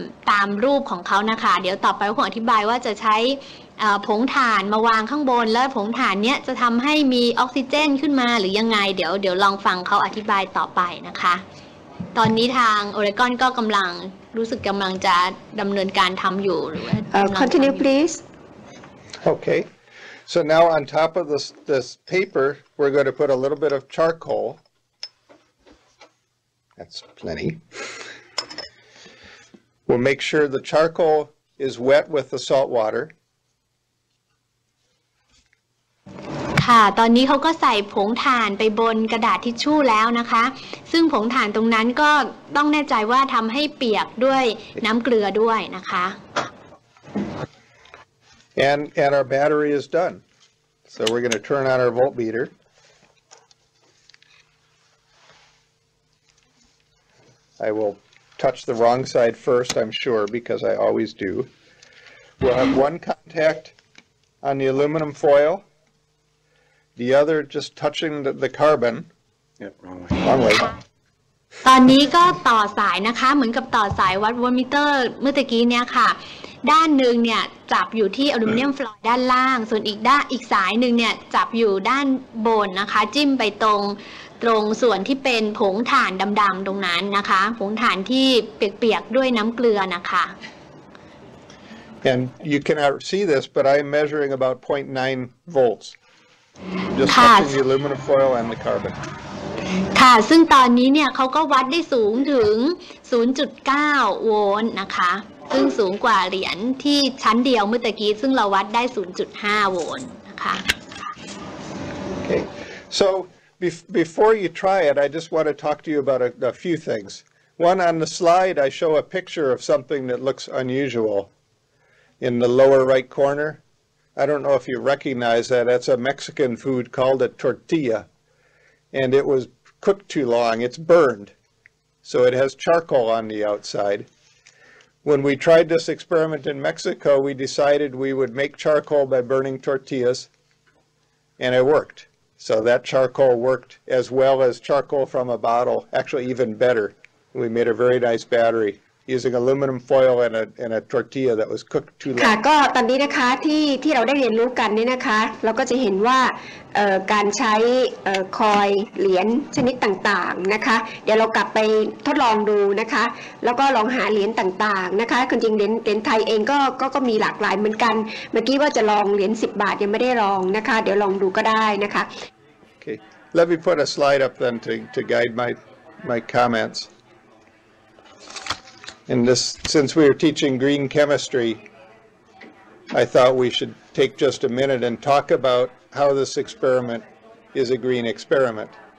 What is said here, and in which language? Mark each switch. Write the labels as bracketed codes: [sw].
[th] ตามรูปของเขานะคะเดี๋ยวต่อไปผมอธิบายว่าจะใช้ผงถ่านมาวางข้างบนแล้วผงถ่านเนี้ยจะทำให้มีออกซิเจนขึ้นมาหรือยังไงเดี๋ยวลองฟังเขาอธิบายต่อไปนะคะตอนนี้ทางออริกอนก็กำลังรู้สึกกำลังจะดำเนินการทำอยู่หรือ [en] continue please okay so now on top of this paper we're going to put a little bit of charcoal that's plenty we'll make sure the charcoal is wet with the salt water [th] ค่ะตอนนี้เขาก็ใส่ผงถ่านไปบนกระดาษทิชชู่แล้วนะคะซึ่งผงถ่านตรงนั้นก็ต้องแน่ใจว่าทำให้เปียกด้วยน้ำเกลือด้วยนะคะ [en] and our battery is done so we're going to turn on our voltmeter I will touch the wrong side first I'm sure because I always do we'll have one contact on the aluminum foilThe other just touching the carbon. Yep, wrong way. [th] ตอนนี้ก็ต่อสายนะคะเหมือนกับต่อสายวัดโวลต์มิเตอร์เมื่อกี้เนี่ยค่ะด้านนึงเนี่ยจับอยู่ที่อลูมิเนียมฟลอยด์ด้านล่างส่วนอีกด้านอีกสายนึงเนี่ยจับอยู่ด้านบนนะคะจิ้มไปตรงส่วนที่เป็นผงถ่านดำๆตรงนั้นนะคะผงถ่านที่เปียกๆด้วยน้ำเกลือนะคะ [en] And you cannot see this, but I'm measuring about 0.9 volts. Just touching the aluminum foil and the carbon. [th] ค่ะซึ่งตอนนี้เนี่ยเขาก็วัดได้สูงถึง 0.9 โวลต์นะคะซึ่งสูงกว่าเหรียญที่ชั้นเดียวเมื่อกี้ซึ่งเราวัดได้ 0.5 โวลต์นะคะ [en] Okay. So Before you try it, I just want to talk to you about a few things. One, on the slide, I show a picture of something that looks unusual in the lower right corner. I don't know if you recognize that. That's a Mexican food called a tortilla, and it was cooked too long. It's burned, so it has charcoal on the outside. When we tried this experiment in Mexico, we decided we would make charcoal by burning tortillas, and it worked. So that charcoal worked as well as charcoal from a bottle, actually even better. We made a very nice battery using aluminum foil and a tortilla that was cooked too long. [th] ค่ะก็ตอนนี้นะคะที่เราได้เรียนรู้กันนี่นะคะเราก็จะเห็นว่าการใช้คอยเหรียญชนิดต่างๆนะคะเดี๋ยวเรากลับไปทดลองดูนะคะแล้วก็ลองหาเหรียญต่างๆนะคะคือจริงๆเหรียญไทยเองก็มีหลากหลายเหมือนกันเมื่อกี้ว่าจะลองเหรียญ10บาทยังไม่ได้ลองนะคะเดี๋ยวลองดูก็ได้นะคะ [en] Okay let me put a slide up then to guide my commentsAnd this, since we are teaching green chemistry, I thought we should take just a minute and talk about how this experiment is a green experiment.